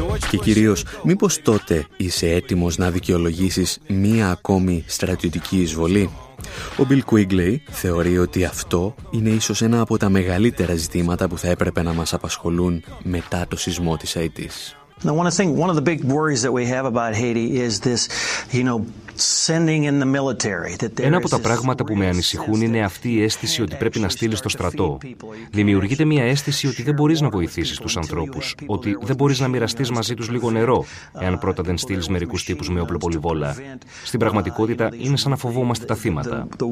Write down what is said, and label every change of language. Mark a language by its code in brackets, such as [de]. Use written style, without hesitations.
[el] Και κυρίως, μήπως τότε είσαι έτοιμος να δικαιολογήσεις μία ακόμη στρατιωτική εισβολή? Ο Bill Quigley θεωρεί ότι αυτό είναι ίσως ένα από τα μεγαλύτερα ζητήματα που θα έπρεπε να μας απασχολούν μετά το σεισμό της Αϊτής. [en] One of the big worries that we have about Haiti is this, you know, sending in the military. [el] Ένα από τα πράγματα που με ανησυχούν είναι αυτή η αίσθηση ότι πρέπει να στείλεις το στρατό. Δημιουργείται μια αίσθηση ότι δεν μπορείς να βοηθήσεις τους ανθρώπους, ότι δεν μπορείς να μοιραστείς μαζί τους λίγο νερό, εάν πρώτα δεν στείλεις μερικούς τύπους με όπλο πολυβόλα. Στην πραγματικότητα, είναι σαν να φοβόμαστε τα θύματα.